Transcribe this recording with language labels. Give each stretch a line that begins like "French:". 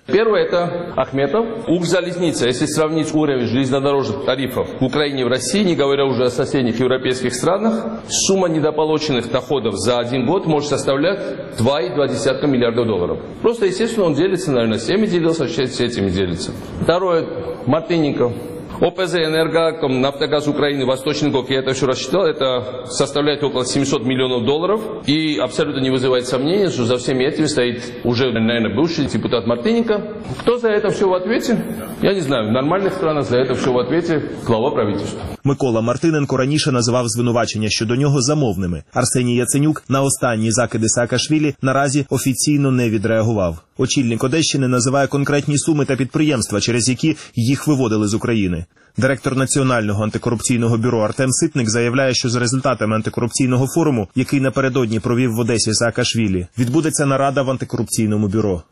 Ukrainian: Перше – це Ахметов, Укрзалізниця. Якщо порівняти рівень залізничних тарифів в Україні і в Росії,
Russian: не говоря
Ukrainian: вже о сусідніх європейських країнах, сума недополучених доходів за один рік може становити 2,2 мільярда доларів. Просто, звісно, він ділиться, мабуть, з цими ділиться, з цими ділиться. Друге – Мартиненко.
Russian: ОПЗ «Энерго», «Нафтогаз Украины», «Восточников», я это все рассчитал, это составляет около 700 миллионов долларов. И абсолютно не вызывает сомнений, что за всеми этими стоит уже, наверное, бывший депутат Мартыненко. Кто за это все в ответе? Я не знаю, в нормальных странах за это все в ответе глава правительства.
Ukrainian: Микола Мартиненко раніше називав звинувачення щодо нього замовними. Арсеній Яценюк на останні закиди Саакашвілі наразі офіційно не відреагував. Очільник Одещини називає конкретні суми та підприємства, через які їх виводили з України. Директор Національного антикорупційного бюро Артем Ситник заявляє, що за результатами антикорупційного форуму, який напередодні провів в Одесі Саакашвілі, відбудеться нарада в антикорупційному бюро.